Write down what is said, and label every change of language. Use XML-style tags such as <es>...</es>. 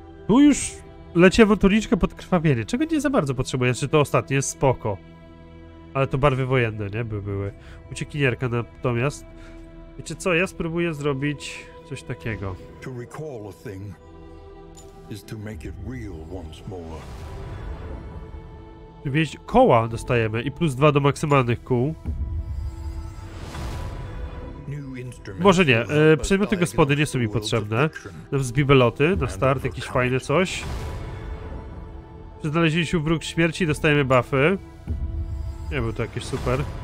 <pl>Tu już leci awanturniczka pod krwawienie, czego nie za bardzo potrzebuje, czy to ostatnie jest spoko. Ale to barwy wojenne, nie? Były. Uciekinierka natomiast. Wiecie co, ja spróbuję zrobić coś takiego.</pl> <en>To recall a thing is to make it real once more.</en> <pl>Wieść koła dostajemy i plus 2 do maksymalnych kół. Może nie, przedmioty gospody nie są mi potrzebne. Z bibeloty na start, jakieś fajne coś. Znaleźliśmy wróg śmierci, dostajemy buffy. Nie był to jakiś super.</pl>